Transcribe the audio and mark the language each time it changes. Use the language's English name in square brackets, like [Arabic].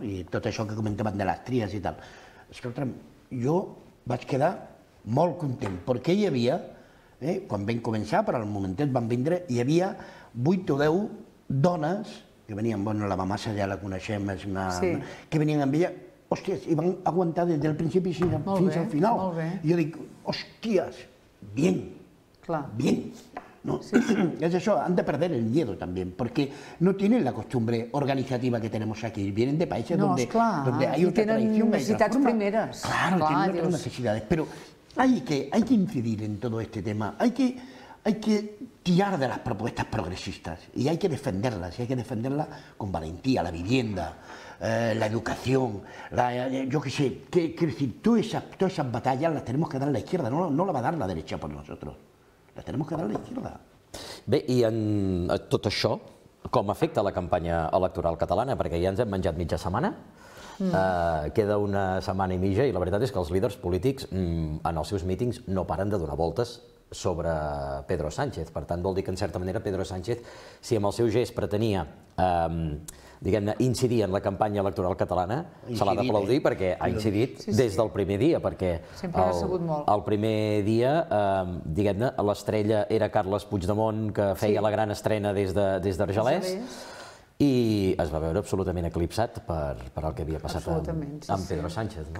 [Catalan] I tot això que comentaven de les tries i tal. Escolta'm, jo vaig quedar molt content, perquè hi havia, quan vam començar, per al momentet vam vindre, hi havia 8 o 10 dones, que venien, bueno, la mamà ja la coneixem, que venien amb ella, hòsties, i van aguantar des del principi fins al final. I jo dic, hòsties, [Spanish] bien, bien. Es eso, han de perder el miedo también, porque no tienen la costumbre organizativa que tenemos aquí, vienen de países donde hay otra tradición. Necesidades primeras. Claro, tienen otras necesidades, pero hay que incidir en todo este tema, hay que tirar de las propuestas progresistas y hay que defenderlas con valentía, la vivienda, la educación, todas esas batallas las tenemos que dar a la izquierda, no la va a dar la derecha por nosotros. La tenemos que dar a la izquierda. [Catalan] Bé, i en tot això, com afecta la campanya electoral catalana? Perquè ja ens hem menjat mitja setmana, queda una setmana i mitja, i la veritat és que els líders polítics en els seus mítings no paren de donar voltes sobre Pedro Sánchez. Per tant, vol dir que, en certa manera, Pedro Sánchez, si amb el seu gest pretenia, diguem-ne, incidir en la campanya electoral catalana, se l'ha d'aplaudir perquè ha incidit des del primer dia, perquè el primer dia, diguem-ne, l'estrella era Carles Puigdemont, que feia la gran estrena des d'Argelès, i es va veure absolutament eclipsat per el que havia passat amb Pedro Sánchez.